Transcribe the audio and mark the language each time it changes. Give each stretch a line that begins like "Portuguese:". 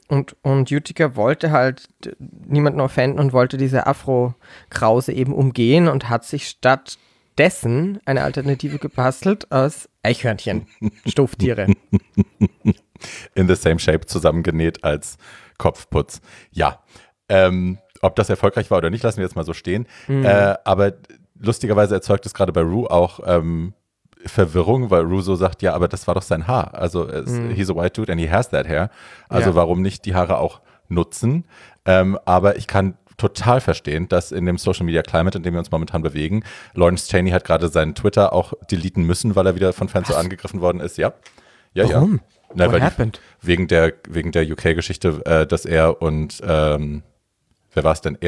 German: Und Utica wollte halt niemanden offenden und wollte diese Afro-Krause eben umgehen und hat sich statt dessen eine Alternative gebastelt aus Eichhörnchen, Stofftiere.
English: In the same shape,
German: zusammengenäht als Kopfputz. Ja, ob das erfolgreich war oder nicht, lassen wir jetzt mal so stehen. Mhm. Aber lustigerweise erzeugt es gerade bei Rue auch Verwirrung, weil Rue so sagt, ja, aber das war doch sein Haar. Also
English: he's a white dude and he has that hair.
German: Also warum nicht die Haare auch nutzen? Aber ich kann total verstehen, dass in dem Social Media Climate, in dem wir uns momentan bewegen, Lawrence Chaney hat gerade seinen Twitter auch deleten müssen, weil er wieder von Fans so angegriffen worden ist. Ja, ja, warum? Ja.
English: What happened?
German: Wegen der UK-Geschichte, dass er und wer war es denn?